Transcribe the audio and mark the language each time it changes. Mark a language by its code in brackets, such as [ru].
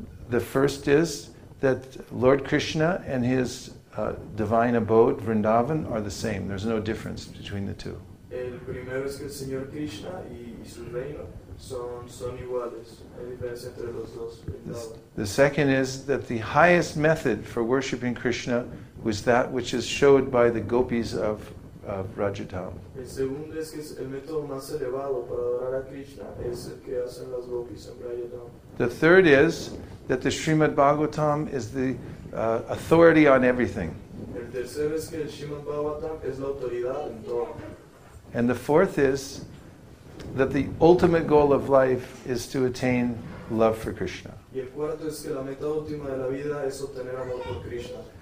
[en] The first is that Lord Krishna and his divine abode, Vrindavan, are the same. There's no difference between the two. [es] El primero es que el Señor Krishna y su reino son iguales. Hay diferencia entre los dos. [en] The second is that the highest method for worshipping Krishna was that which is showed by the gopis of Rajadham. [es] El segundo es que el método más elevado para adorar a Krishna es el que hacen las gopis en Rajadham. [en] The third is that the Srimad Bhagavatam is the authority on everything. [es] El tercero es que el Srimad Bhagavatam es la autoridad en todo. [en] And the fourth is that the ultimate goal of life is to attain love for Krishna. [es] Y el cuarto es que la meta última de la vida es obtener amor por Krishna.